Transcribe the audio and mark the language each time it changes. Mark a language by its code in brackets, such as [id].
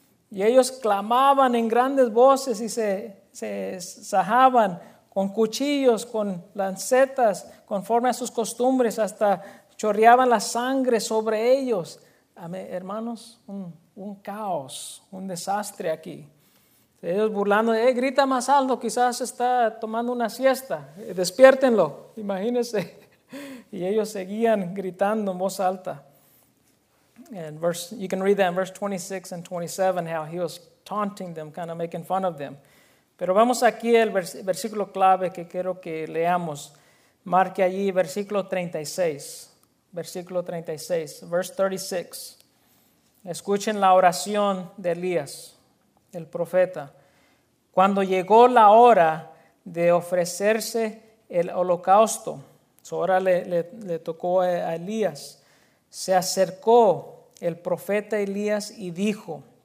[es] Y ellos clamaban en grandes voces y se sajaban con cuchillos, con lancetas, conforme a sus costumbres, hasta chorreaban la sangre sobre ellos. Hermanos, un caos, un desastre aquí. Ellos burlando, grita más alto, quizás está tomando una siesta, despiértenlo, imagínense. Y ellos seguían gritando en voz alta. [en] And verse, you can read that in verse 26 and 27, how he was taunting them, kind of making fun of them. [es] Pero vamos aquí al versículo clave que quiero que leamos. Marque allí versículo 36. Versículo 36, [en] verse 36. [es] Escuchen la oración de Elías, el profeta. Cuando llegó la hora de ofrecerse el holocausto, ahora le tocó a Elías, se acercó el profeta Elías y dijo,